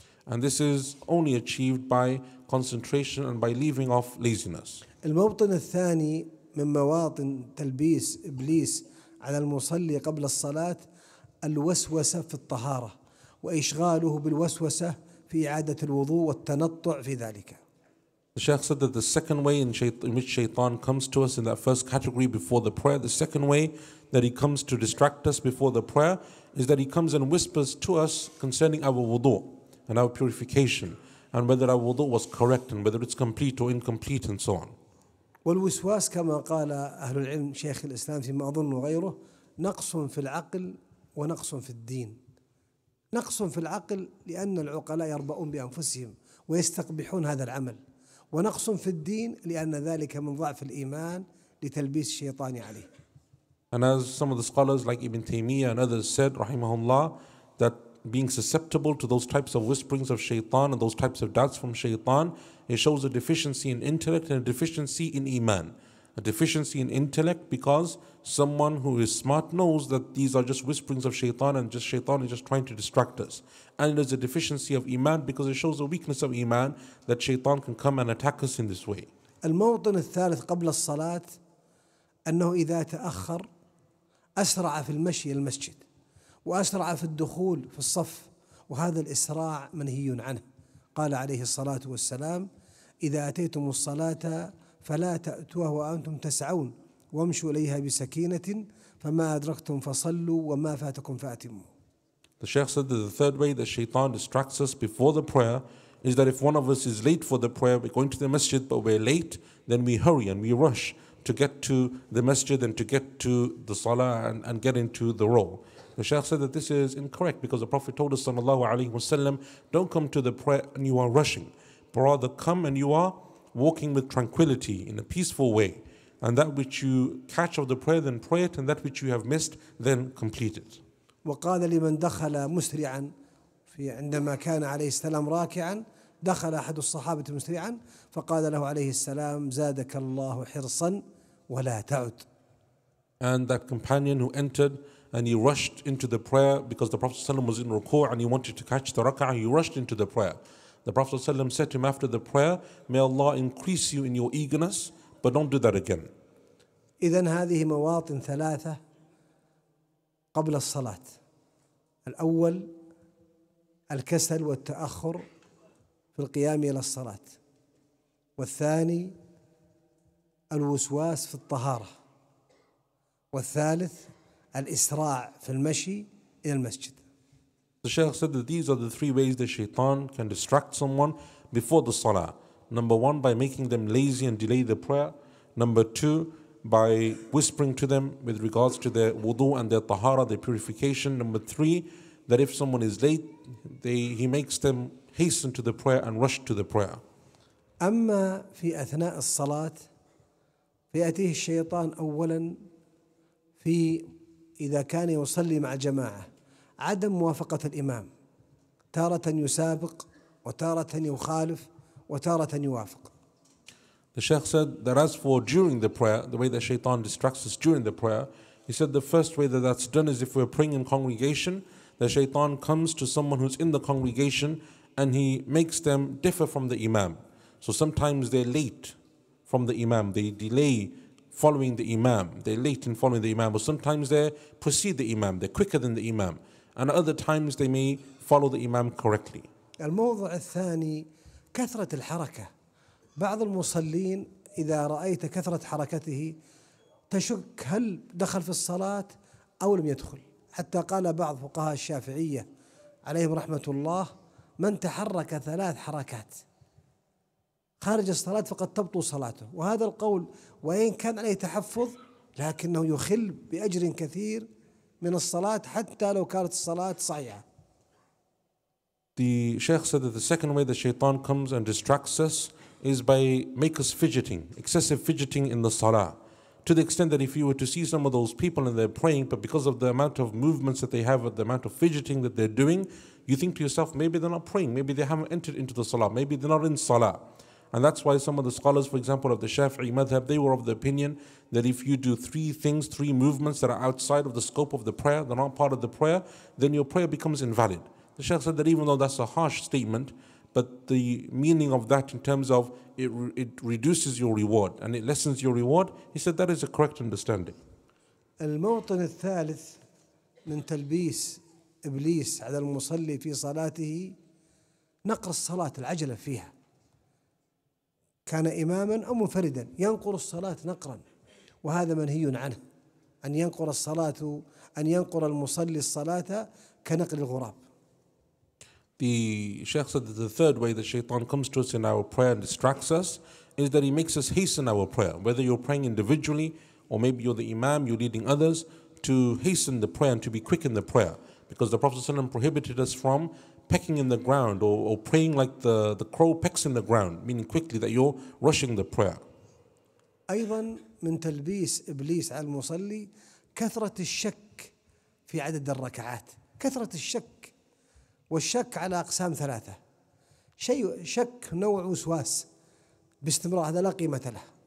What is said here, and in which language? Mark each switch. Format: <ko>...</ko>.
<en>And this is only achieved by concentration and by leaving off laziness.</en> <ar>الموطن الثاني من مواطن تلبيس إبليس على المصلي قبل الصلاة الوسوسة في الطهارة وإشغاله بالوسوسة في إعادة الوضوء والتنطع في ذلك.</ar> <en>The Shaykh said that the second way in which Shaytan comes to us in that first category before the prayer, the second way that he comes to distract us before the prayer is that he comes and whispers to us concerning our wudu and our purification and whether our wudu was correct and whether it's complete or incomplete and so on.</en> <ar>والوسواس كما قال أهل العلم شيخ الإسلام فيما أظن وغيره نقص في العقل ونقص في الدين. نقص في العقل لأن العقلاء يربؤون بأنفسهم ويستقبحون هذا العمل. ونقص في الدين لأن ذلك من ضعف الإيمان لتلبيس الشيطان عليه.</ar> <en>And as some of the scholars like Ibn Taymiyyah and others said, rahimahullah, that being susceptible to those types of whisperings of shaitan and those types of doubts from shaitan, it shows a deficiency in intellect and a deficiency in iman. A deficiency in intellect because someone who is smart knows that these are just whisperings of shaitan and just shaitan is just trying to distract us. And it is a deficiency of iman because it shows a weakness of iman that shaitan can come and attack us in this way.</en> <ar>الموطن الثالث قبل الصلاة أنه إذا تأخر أسرع في المشي المسجد وأسرع في الدخول في الصف وهذا الإسراع منهي عنه قال عليه الصلاة والسلام إذا أتيتم الصلاة فلا تأتوها وأنتم تسعون وامشوا إليها بسكينة فما أدركتم فصلوا وما فاتكم فأتموا.</ar> <en>The Shaykh said that the third way that Shaytan distracts us before the prayer is that if one of us is late for the prayer, we're going to the masjid but we're late, then we hurry and we rush to get to the masjid and to get to the salah and get into the role. The Shaykh said that this is incorrect because the Prophet told us</en> <ar>sallallahu alayhi wa sallam,</ar> <en>don't come to the prayer and you are rushing, but rather come and you are walking with tranquility in a peaceful way. And that which you catch of the prayer, then pray it, and that which you have missed, then complete it.</en> <ar>وقال لمن دخل مسرعا في عندما كان عليه السلام راكعا دخل أحد الصحابة مسرعا فقال له عليه السلام زادك الله حرصا ولا تعد.</ar> <en>And that companion who entered and he rushed into the prayer because the Prophet ﷺ was in ruku' and he wanted to catch the raka'ah, he rushed into the prayer. The Prophet ﷺ said to him after the prayer, may Allah increase you in your eagerness, but don't do that again.</en> <ar>إذن هذه مواطن ثلاثة قبل الصلاة. الأول الكسل والتأخر في القيام إلى الصلاة. والثاني الوسواس في الطهارة. والثالث الإسراع في المشي إلى المسجد.</ar> <en>The Shaykh said that these are the three ways that Shaytan can distract someone before the Salah. Number one, by making them lazy and delay the prayer. Number two, by whispering to them with regards to their wudu and their tahara, their purification. Number three, that if someone is late, he makes them hasten to the prayer and rush to the prayer.</en> <ar>أما في أثناء الصلاة فيأتيه الشيطان أولا في إذا كان يصلي مع جماعة عدم موافقة الإمام تارة يسابق وتارة يخالف وتارة يوافق.</ar> <en>The Shaykh said that as for during the prayer, the way that Shaytan distracts us during the prayer, he said the first way that that's done is if we're praying in congregation, the Shaytan comes to someone who's in the congregation and he makes them differ from the Imam. So sometimes they're late from the Imam, they delay following the Imam, they're late in following the Imam, or sometimes they precede the Imam, they're quicker than the Imam. And other times they may follow the Imam correctly.</en> <ar>الموضع الثاني كثرة الحركة. بعض المصلين إذا رأيت كثرة حركته تشك هل دخل في الصلاة أو لم يدخل. حتى قال بعض فقهاء الشافعية عليهم رحمة الله من تحرك ثلاث حركات خارج الصلاة فقد تبطل صلاته. وهذا القول وإن كان عليه تحفظ لكنه يخل بأجر كثير من الصلاة حتى لو كانت الصلاة صحيحة.</ar> <en>The Shaykh said that the second way that Shaytan comes and distracts us is by make us fidgeting, excessive fidgeting in the salah, to the extent that if you were to see some of those people and they're praying, but because of the amount of movements that they have, the amount of fidgeting that they're doing, you think to yourself, maybe they're not praying, maybe they haven't entered into the salah, maybe they're not in salah. And that's why some of the scholars, for example, of the Shafi'i madhab, they were of the opinion that if you do three things, three movements that are outside of the scope of the prayer, they're not part of the prayer, then your prayer becomes invalid. The Shaykh said that even though that's a harsh statement, but the meaning of that in terms of it reduces your reward and it lessens your reward, he said that is a correct understanding.</en> <ar>الموطن الثالث من تلبيس إبليس على المصلي في صلاته نقص صلاة العجلة فيها كان إماما أو منفردا ينقر الصلاة نقرا وهذا منهي عنه أن ينقر الصلاة أن ينقر المصلي الصلاة كنقل الغراب.</ar> <en>The Shaykh said that the third way that Shaytan comes to us in our prayer and distracts us is that he makes us hasten our prayer. Whether you're praying individually or maybe you're the Imam, you're leading others to hasten the prayer and to be quick in the prayer. Because the Prophet ﷺ prohibited us from pecking in the ground or praying like the crow pecks in the ground, meaning quickly that you're rushing the prayer.</en> <ar>أيضا من تلبيس إبليس على المصلي كثرة الشك في عدد الركعات كثرة الشك والشك على أقسام ثلاثة شيء شك نوع وسواس باستمرار هذا لا قيمة له</ar>